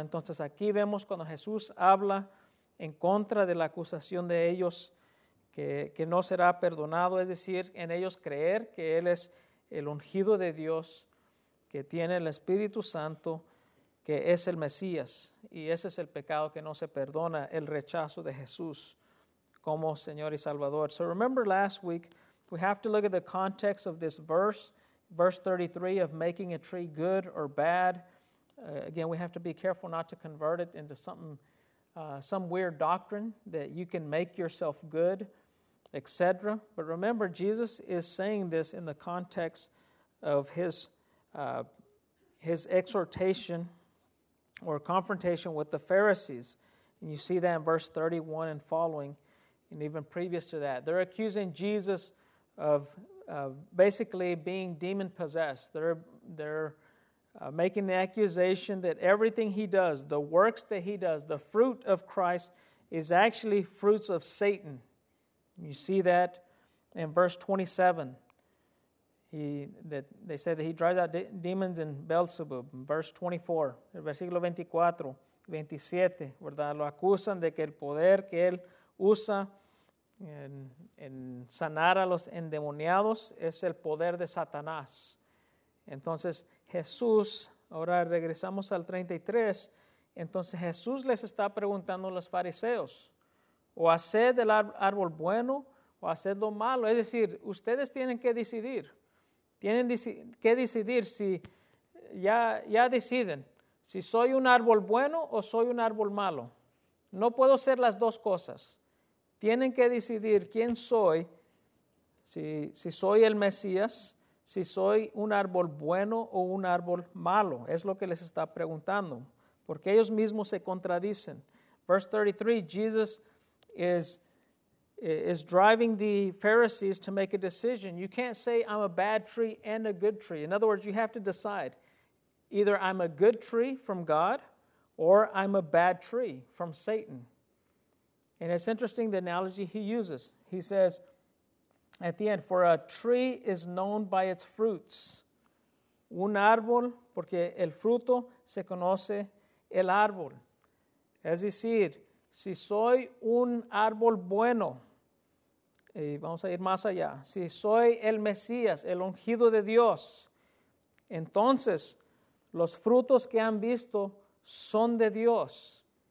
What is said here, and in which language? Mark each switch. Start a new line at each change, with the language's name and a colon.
Spanish: Entonces aquí vemos cuando Jesús habla en contra de la acusación de ellos que no será perdonado, es decir, en ellos creer que Él es el ungido de Dios, que tiene el Espíritu Santo, que es el Mesías, y ese es el pecado que no se perdona, el rechazo de Jesús como Señor y Salvador.
English: So remember last week, we have to look at the context of this verse 33 of making a tree good or bad. Again, we have to be careful not to convert it into something, some weird doctrine that you can make yourself good, etc. But remember, Jesus is saying this in the context of his exhortation or confrontation with the Pharisees. And you see that in verse 31 and following, and even previous to that. They're accusing Jesus of basically being demon-possessed. They're making the accusation that everything he does, the works that he does, the fruit of Christ, is actually fruits of Satan. And you see that in verse 27. They say that he drives out demons in Beelzebub. Verse 24,
Spanish: el versículo 24, 27, ¿verdad? Lo acusan de que el poder que él usa en sanar a los endemoniados es el poder de Satanás. Entonces, Jesús, ahora regresamos al 33, entonces Jesús les está preguntando a los fariseos, o haced el árbol bueno o haced lo malo. Es decir, ustedes tienen que decidir. Tienen que decidir si ya deciden si soy un árbol bueno o soy un árbol malo. No puedo ser las dos cosas. Tienen que decidir quién soy, si soy el Mesías, si soy un árbol bueno o un árbol malo. Es lo que les está preguntando, porque ellos mismos se contradicen.
English: Verse 33, Jesus is driving the Pharisees to make a decision. You can't say I'm a bad tree and a good tree. In other words, you have to decide. Either I'm a good tree from God or I'm a bad tree from Satan. And it's interesting the analogy he uses. He says at the end, for a tree is known by its fruits.
Spanish: Un árbol, porque el fruto se conoce el árbol.
English: As he said,
Spanish: si soy un árbol bueno, Y vamos a ir más allá. Si soy el Mesías, el ungido de Dios, entonces los frutos que han visto son de Dios.